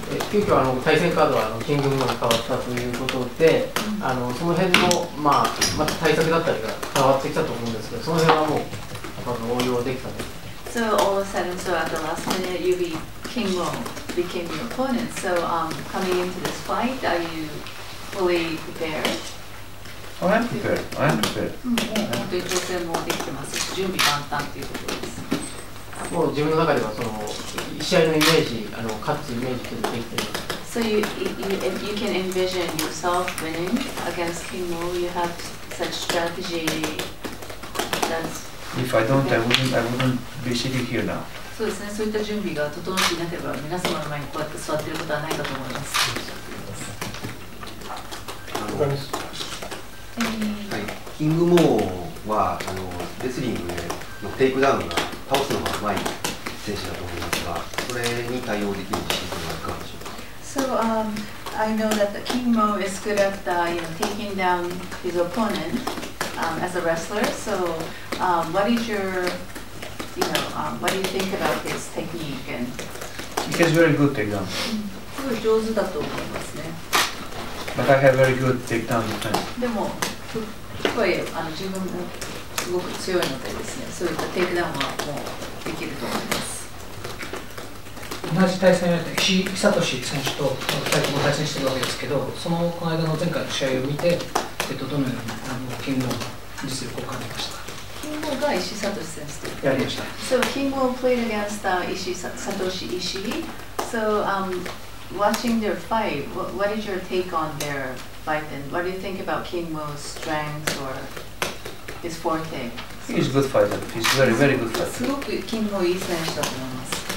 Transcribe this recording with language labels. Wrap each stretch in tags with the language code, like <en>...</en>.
<ja>急遽対戦カードはキングモーに変わったということで、その辺の、また対策だったりが変わってきたと思うんですけど、その辺はもう応用できたんです。</ja> <en>So all of a sudden, so at the last minute, you be King Moon became your opponent. So coming into this fight, are you fully prepared? I am prepared.</en> <ja>本当に調整もできてます。準備万端ということです。もう自分の中ではその試合のイメージ、勝つイメージができています。</ja> <en>So you can envision yourself winning against King Mo. You have such strategy. If I don't, I wouldn't be sitting here now.</en> <ja>そうですね。そういった準備が整っていなければ、皆様の前にこうやって座っていることはないかと思います。はい。キングモーはレスリングでのテイクダウンが倒すのが上手い選手だと思いますが、それに対応できる自信があるかもしれません。</ja> <en>So I know that the King Mo is good at taking down his opponent as a wrestler. So what do you think about his technique? He has very good takedown.</en> <ja>すごい上手だと思いますね。</ja> <en>But I have very good takedown defense.</en> <ja>でも、すごい自分もすごく強いのでですね、そういったテイクダウンはもうできると思います。同じ対戦相手、久保選手と2人とも対戦しているわけですけど、そのこの間の前回の試合を見て、どのように金剛の実力を感じましたか？金剛が石井聡選手とやりました。</ja> <en>So, 金剛 played against 石井聡、石井。 So, watching their fight, what is your take on their fight and what do you think about 金剛's strength or his forte? He's a good fighter. He's very, very good fighter.</en> <ja>すごく金剛いい選手だと思います。</ja>